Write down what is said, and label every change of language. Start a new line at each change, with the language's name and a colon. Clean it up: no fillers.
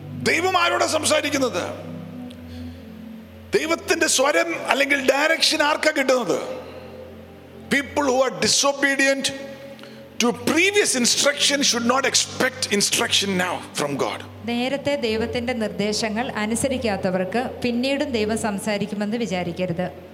Malayalam: ദൈവം ആരോട് സംസാരിക്കുന്നത്? ദൈവത്തിന്റെ സ്വരം അല്ലെങ്കിൽ ഡയറക്ഷൻ ആർക്കാ കിട്ടുന്നത്?
English: People who are disobedient to previous instruction should not expect instruction now from God.
Malayalam: നേരത്തെ ദൈവത്തിന്റെ നിർദ്ദേശങ്ങൾ അനുസരിക്കാത്തവർക്ക് പിന്നീടും ദൈവം സംസാരിക്കുമെന്ന് വിചാരിക്കരുത്.